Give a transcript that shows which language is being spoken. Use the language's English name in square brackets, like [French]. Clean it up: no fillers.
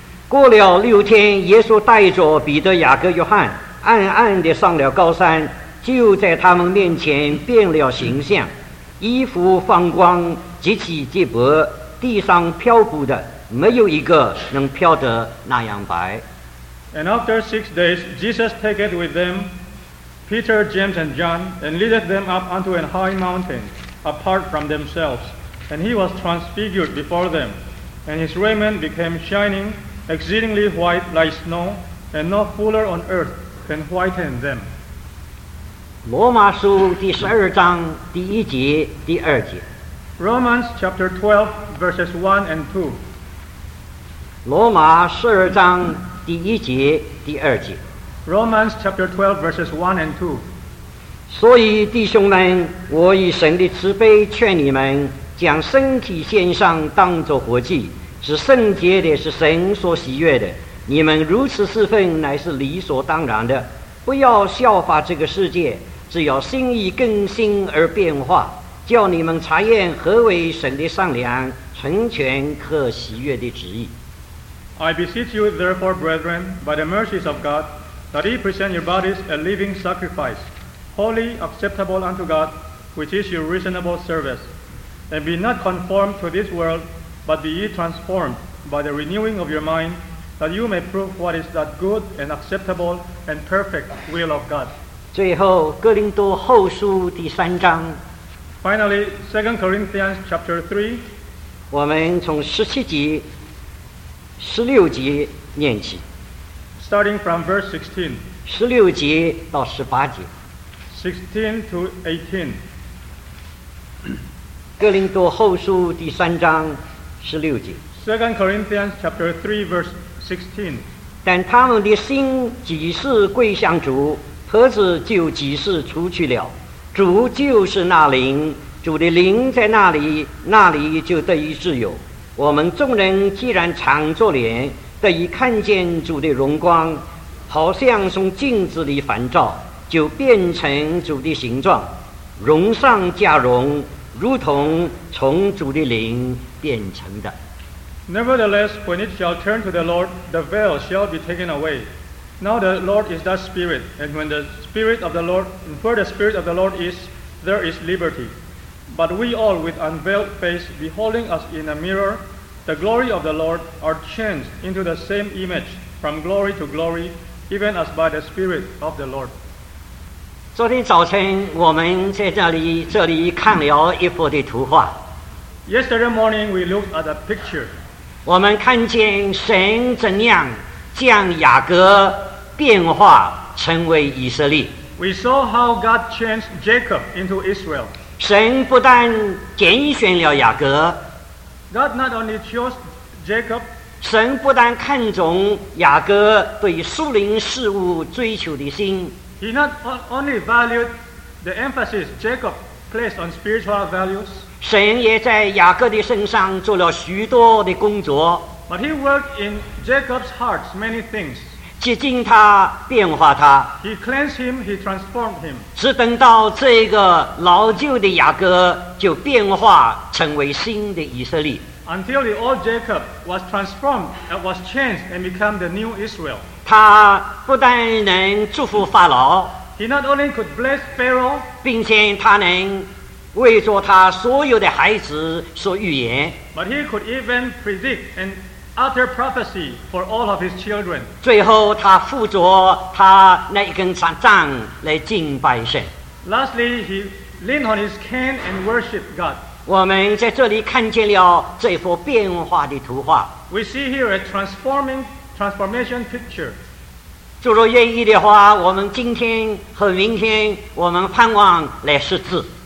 [Chinese] 过了六天，耶稣带着彼得、雅各、约翰，暗暗地上了高山，就在他们面前变了形象，衣服放光，极其洁白，地上漂浮的没有一个能漂得那样白。 [English] And after 6 days, Jesus taketh with them Peter, James, and John, and leadeth them up unto an high mountain apart from themselves. And he was transfigured before them, and his raiment became shining, exceedingly white like snow, and no fuller on earth can whiten them. [Chinese] 罗马书第十二章第一节第二节。 [English] Romans chapter 12, verses 1 and 2. [Chinese] 罗马十二章第一节第二节。 [English] Romans chapter 12 verses 1 and 2. [Chinese] 所以弟兄们，我以神的慈悲劝你们，将身体献上当作活祭，是圣洁的，是神所喜悦的。你们如此侍奉乃是理所当然的，不要效法这个世界，只要心意更新而变化，叫你们查验何为神的善良、成全、可喜悦的旨意。 [English] I beseech you, therefore, brethren, by the mercies of God, that ye present your bodies a living sacrifice, holy, acceptable unto God, which is your reasonable service. And be not conformed to this world, but be ye transformed by the renewing of your mind, that you may prove what is that good and acceptable and perfect will of God. [Chinese] 最后，哥林多后书第三章。 [English] Finally, 2 Corinthians chapter 3. [Chinese] 我们从十七节十六节念起。 [English] Starting from verse 16. [Chinese] 十六节到十八节。 [English] 16 to 18. [Chinese] 哥林多后书第三章十六节。 [English] 2 Corinthians chapter 3 verse 16. [Chinese] 但他们的心几是归向主，盒子就几是出去了。主就是那灵，主的灵在那里，那里就得以自由。我们众人既然敞着脸，得以看见主的荣光，好像从镜子里反照，就变成主的形状，荣上加荣，如同从主的灵变成的。 [English] Nevertheless, when it shall turn to the Lord, the veil shall be taken away. Now the Lord is that Spirit, and when the Spirit of the Lord, where the Spirit of the Lord is, there is liberty. But we all, with unveiled face, beholding us in a mirror, the glory of the Lord, are changed into the same image, from glory to glory, even as by the Spirit of the Lord. [Chinese] 昨天早晨，我们在这里看了一幅的图画。 [English] Yesterday morning, we looked at a picture. [Chinese] 我们看见神怎样将雅各变化成为以色列。 [English] We saw how God changed Jacob into Israel. [Chinese] 神不但拣选了雅各， [English] God not only chose Jacob, [Chinese] 神不但看重雅各对属灵事物追求的心， [English] He not only valued the emphasis Jacob placed on spiritual values, [Chinese] 神也在雅各的身上做了许多的工作， [English] But he worked in Jacob's heart many things. [Chinese] 洁净他，变化他。 [English] He cleansed him, he transformed him. [Chinese] 只等到这个老旧的雅各就变化成为新的以色列。 [English] until the old Jacob was transformed and was changed and became the new Israel. [Chinese] 他不但能祝福法老， [English] He not only could bless Pharaoh, [Chinese] 并且他能为着他所有的孩子说预言， [English] but he could even predict and utter prophecy for all of his children. [Chinese] 最后他附着他那一根杖杖来敬拜神。 [English] Lastly, he leaned on his cane and worshiped God. [Chinese] 我们在这里看见了这幅变化的图画。 [English] We see here a transformation picture. [Chinese] 主若愿意的话，我们今天和明天我们盼望来识字。